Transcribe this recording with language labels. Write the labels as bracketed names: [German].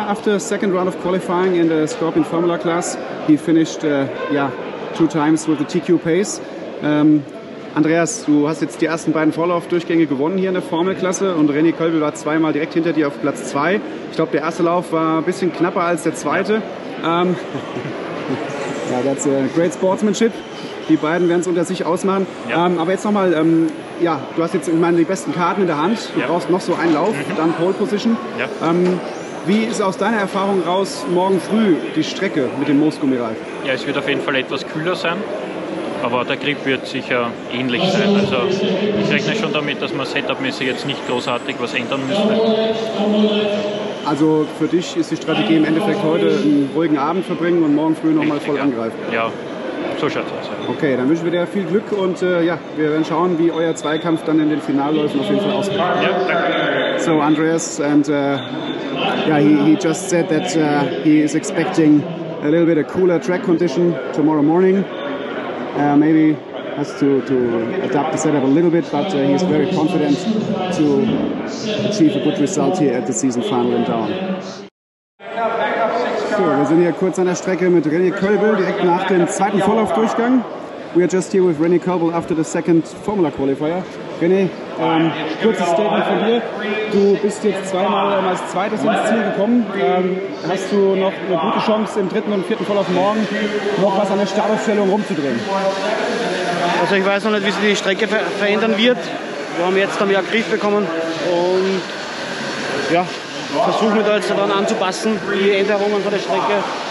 [English] After second round of qualifying in the Scorpion Formula class, he finished two times with the TQ pace. [German] Andreas, du hast jetzt die ersten beiden Vorlaufdurchgänge gewonnen hier in der Formelklasse und René Kölbl war zweimal direkt hinter dir auf Platz 2. Ich glaube, der erste Lauf war ein bisschen knapper als der zweite. Ja, [English] that's a great sportsmanship. [German] Die beiden werden es unter sich ausmachen. Ja. Aber jetzt nochmal, du hast jetzt, ich meine, die besten Karten in der Hand. Du brauchst noch so einen Lauf, dann Pole Position. Ja. Wie ist aus deiner Erfahrung raus morgen früh die Strecke mit dem Moosgummireifen? Ja, es wird auf jeden Fall etwas kühler sein. Aber der Grip wird sicher ähnlich sein. Also ich rechne schon damit, dass man setupmäßig jetzt nicht großartig was ändern müsste. Also für dich ist die Strategie im Endeffekt heute einen ruhigen Abend verbringen und morgen früh nochmal voll angreifen. Ja, so schaut's aus. Okay, dann wünschen wir dir viel Glück und wir werden schauen, wie euer Zweikampf dann in den Finalläufen auf jeden Fall ausgeht. Ja, danke. [English] So Andreas, and he just said that he is expecting a little bit of cooler track condition tomorrow morning. Maybe has to adapt the setup a little bit, but he's very confident to achieve a good result here at the season final in Down. [German] So, wir sind hier kurz an der Strecke mit René Kölbl, direkt nach dem zweiten Vorlaufdurchgang. [English] We are just here with René Kölbl after the second Formula Qualifier. [German] René, kurzes Statement von dir. Du bist jetzt zweimal als zweites ins Ziel gekommen. Hast du noch eine gute Chance im dritten und vierten Vorlauf morgen noch was an der Startaufstellung rumzudrehen? Also ich weiß noch nicht, wie sich die Strecke verändern wird. Wir haben jetzt einen Griff bekommen und ja, versuchen wir da jetzt dann anzupassen, die Änderungen von der Strecke.